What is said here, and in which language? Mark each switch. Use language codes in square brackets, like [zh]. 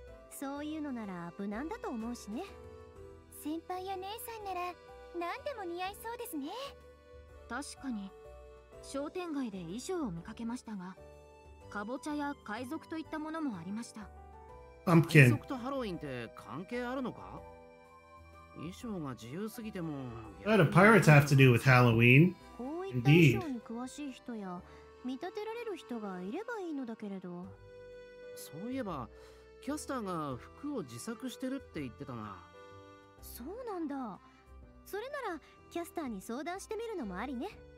[ja] そういうのなら無難だと思うしね。先輩や姉さんなら何でも似合いそうですね。確かに商店街で衣装を見かけましたが、かぼちゃや海賊といったものもありました。パンプキン。海賊とハロウィンって関係あるのか？衣装が自由すぎても。 [en] What do pirates have to do with Halloween? [ja] こういった衣装に詳しい人や見立てられる人がいればいいのだけれど。そういえばキャスターが服を自作してるって言ってたな。そうなんだ。それならキャスターに相談してみるのもありね。